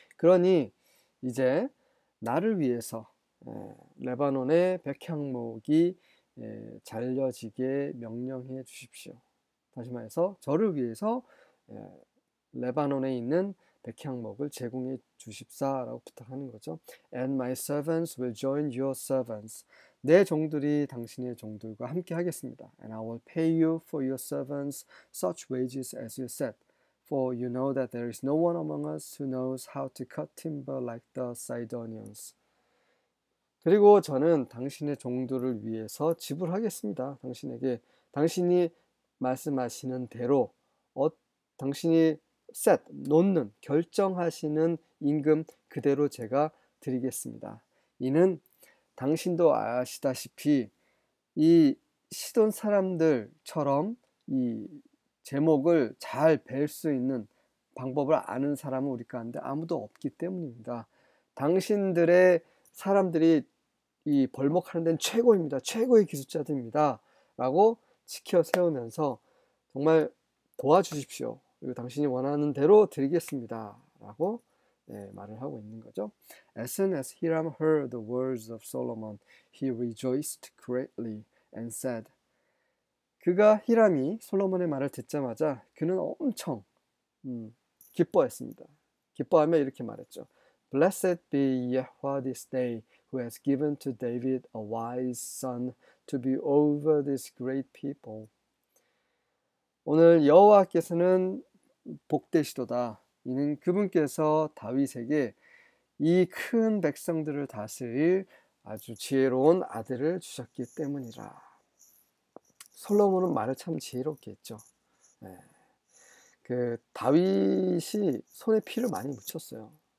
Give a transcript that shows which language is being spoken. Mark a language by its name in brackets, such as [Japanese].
[Korean] 그러니 이제 나를 위해서 레바논의 백향목이 잘려지게 명령해 주십시오. 다시 말해서 저를 위해서 레바논에 있는 백향목을 제공해 주십사라고 부탁하는 거죠. [English] And my servants will join your servants. [Korean] 내 종들이 당신의 종들과 함께 하겠습니다. [English] And I will pay you for your servants such wages as you set. For you know that there is no one among us who knows how to cut timber like the Sidonians. [Korean] 그리고 저는 당신의 종들을 위해서 지불하겠습니다. 당신에게 당신이 말씀하시는 대로 당신이 set, 놓는, 결정하시는 임금 그대로 제가 드리겠습니다. 이는 당신도 아시다시피 이 시돈 사람들처럼 이 제목을 잘 벨 수 있는 방법을 아는 사람은 우리 가운데 아무도 없기 때문입니다. 당신들의 사람들이 이 벌목하는 데는 최고입니다. 최고의 기술자들입니다. 라고 치켜 세우면서 정말 도와주십시오. 그리고 당신이 원하는 대로 드리겠습니다. 라고 말을 하고 있는 거죠. [English] As soon as Hiram heard the words of Solomon, he rejoiced greatly and said, [Korean] 그가 히람이 솔로몬의 말을 듣자마자 그는 엄청 기뻐했습니다. 기뻐하며 이렇게 말했죠. [English] Blessed be Yahweh this day who has given to David a wise son to be over this great people. [Korean] 오늘 여호와께서는 복되시도다. 이는 그분께서 다윗에게 이 큰 백성들을 다스릴 아주 지혜로운 아들을 주셨기 때문이라. 솔로몬은 말을 참 지혜롭게 했죠. 그 다윗이 손에 피를 많이 묻혔어요.